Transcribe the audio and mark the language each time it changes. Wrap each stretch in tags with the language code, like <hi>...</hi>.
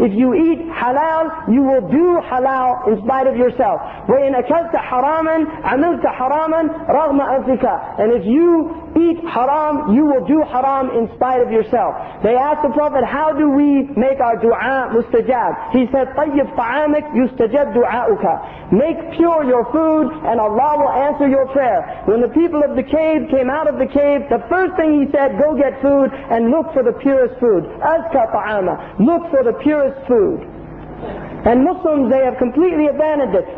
<en>If you eat halal, you will do halal in spite of yourself.</en> <ar>Wa in akalta haraman, amilta haraman ragma anfika.</ar> <en>And if you eat haram, you will do haram in spite of yourself. They asked the Prophet, how do we make our dua mustajab? He said,</en> <ar>طَيِّبْ طَعَامِكْ يُسْتَجَبْ دُعَاءُكَ.</ar> <en>Make pure your food and Allah will answer your prayer. When the people of the cave came out of the cave, the first thing he said, go get food and look for the purest food.</en> <ar>أَزْكَ طَعَامًا.</ar> <en>Look for the purest food. And Muslims, they have completely abandoned it.</en>